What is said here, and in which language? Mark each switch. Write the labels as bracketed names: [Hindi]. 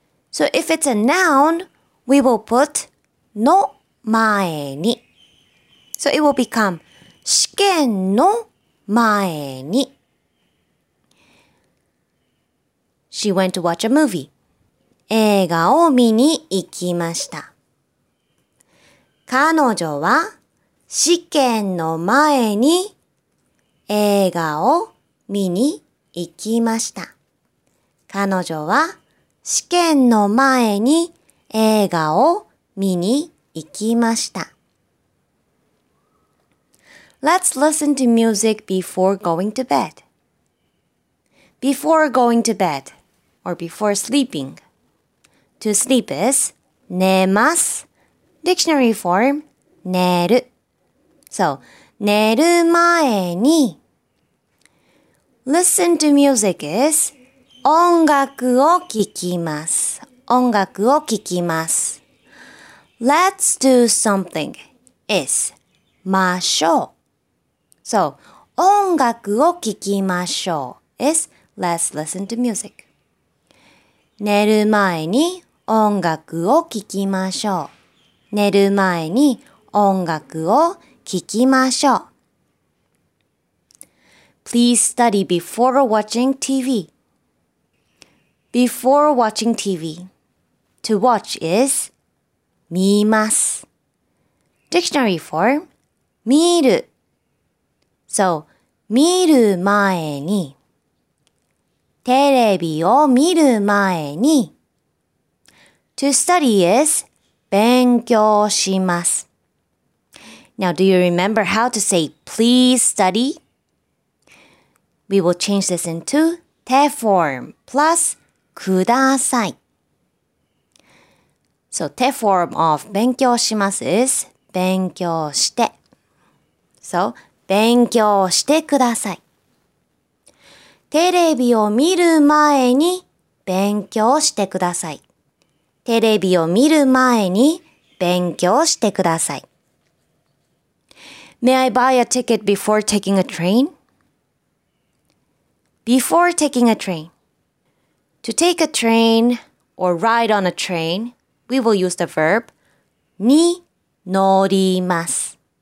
[English] So, if it's a noun, we will put の前に。 So, it will become [Japanese] 試験の前に。 [English] She went to watch a movie. [Japanese] 映画を見に行きました。彼女は試験の前に映画を見に行きました。彼女は試験の前に映画を見に行きました。 [English] Let's listen to music before going to bed. Before going to bed, or before sleeping. To sleep is [Japanese] 寝ます。 [English] Dictionary form [Japanese] 寝る。 [English] So, [Japanese] 寝る前に。 [English] Listen to music is [Japanese] 音楽を聞きます。音楽を聞きます。 [English] Let's do something is [Japanese] ましょう。 [English] So, [Japanese] 音楽を聞きましょう [English] is let's listen to music. [Japanese] 寝る前に音楽を聴きましょう。寝る前に音楽を聴きましょう。 [English] Please study before watching TV. Before watching TV. To watch is [Japanese] 見ます。 [English] Dictionary form [Japanese] 見る。 [English] So, [Japanese] 見る前に。テレビを見る前に。 [English] To study is [Japanese] 勉強します。 [English] Now, do you remember how to say please study? We will change this into te form plus kudasai. So, te form of 勉強します is 勉強して. [Japanese] So, 勉強してください。テレビを見る前に勉強してください。テレビを見る前に勉強してください。 [English] May I buy a ticket before taking a train? Before taking a train. To take a train or ride on a train, we will use the verb に乗ります。